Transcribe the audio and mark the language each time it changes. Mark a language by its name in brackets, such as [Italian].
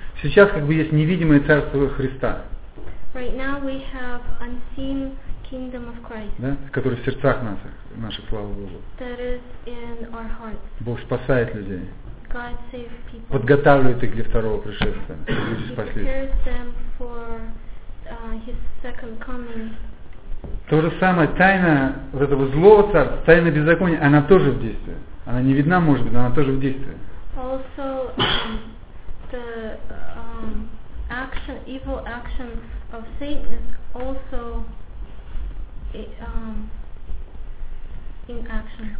[Russian] Сейчас как бы есть невидимое царство Христа. [English] Right now we have unseen kingdom of Christ. [Russian] Да, который в сердцах наших, слава Богу. [English] That is in our hearts. [Russian] Бог спасает людей. [English] God saves people. [Russian] Подготавливает их для второго пришествия, чтобы люди спаслись. [English] He prepares them for his second coming. [Russian] То же самое, тайна вот этого злого царства, тайна беззакония, она тоже в действии. Она не видна, может быть, но она тоже в действии. [English] Also, the action, evil action of Satan is also in action.